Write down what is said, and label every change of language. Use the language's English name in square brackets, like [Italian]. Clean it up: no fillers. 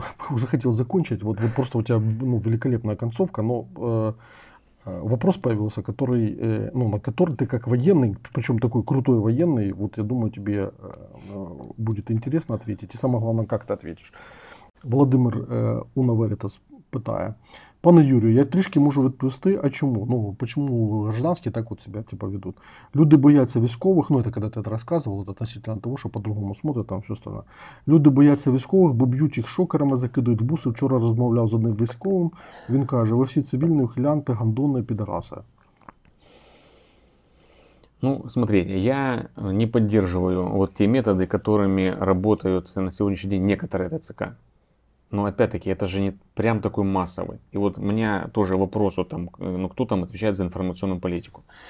[Russian] Уже хотел закончить. Вот просто у тебя, ну, великолепная концовка, но вопрос появился, ну, на который ты как военный, причем такой крутой военный, вот я думаю, тебе будет интересно ответить. И самое главное, как ты ответишь. [Ukrainian] Володимир Унаверетас питає. Пане Юрію, я трішки можу відповісти, а чому? Ну, чому гражданські так от себе типу, ведуть? Люди бояться військових, ну, це коли ти розказував, відносно того, що [Russian] по-другому смотрять, там все остальне. [Ukrainian] Люди бояться військових, бо б'ють їх шокерами, закидують в буси. Вчора розмовляв з одним військовим, він каже, ви всі цивільні, ухилянти, гандони, підараси. [Russian] Ну, смотри, я не поддерживаю вот те методы, которыми работают на сегодняшний день некоторые ТЦК. Но опять-таки, это же не прям такой массовый. И вот у меня тоже вопрос, вот там, ну, кто там отвечает за информационную политику?